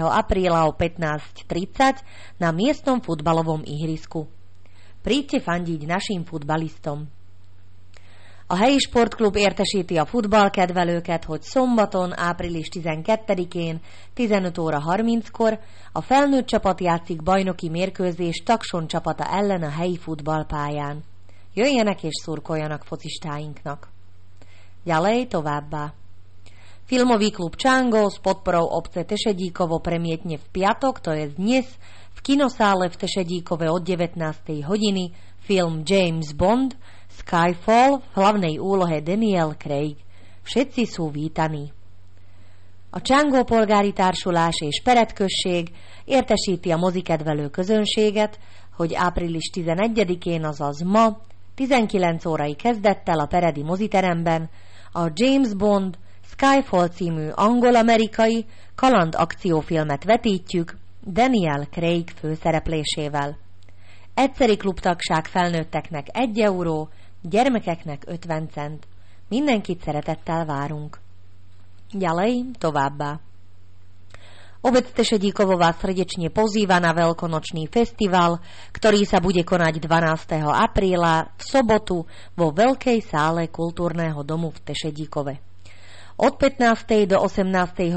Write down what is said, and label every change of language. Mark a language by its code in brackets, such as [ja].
[sk] apríla o 15:30 na miestnom futbalovom ihrisku. Príďte fandiť našim futbalistom. [hu] A helyi športklub értesíti a futballkedvelőket, hogy szombaton, április 12-én, 15 óra 30-kor a felnőtt csapat játszik bajnoki mérkőzés Takson csapata ellen a helyi futballpályán. Jöjjenek és szurkoljanak focistáinknak! [sk] Ďalej [hu] továbbá. [sk] Filmový klub Čango s podporou obce Tešedíkovo premietne v piatok, to je dnes, v kinosále v Tešedíkove od 19. hodiny film James Bond – Skyfall v hlavnej úlohe Daniel Craig. Všetci sú vítaní. [hu] A Csángó polgári társulás és peretkösség értesíti a mozikedvelő közönséget, hogy április 11-én, azaz ma, 19 órai kezdettel a peredi moziteremben a James Bond Skyfall című angol-amerikai kaland akciófilmet vetítjük Daniel Craig főszereplésével. Egyszeri klubtagság felnőtteknek 1 euró, gyermekeknek 50 cent. Mindenkit szeretettel várunk. [sk] Ďalej [hu] továbbá. [sk] Obec Tešedíkovo vás srdečne pozýva na veľkonočný festival, ktorý sa bude konať 12. apríla v sobotu vo Veľkej sále kultúrneho domu v Tešedíkove. Od 15. do 18.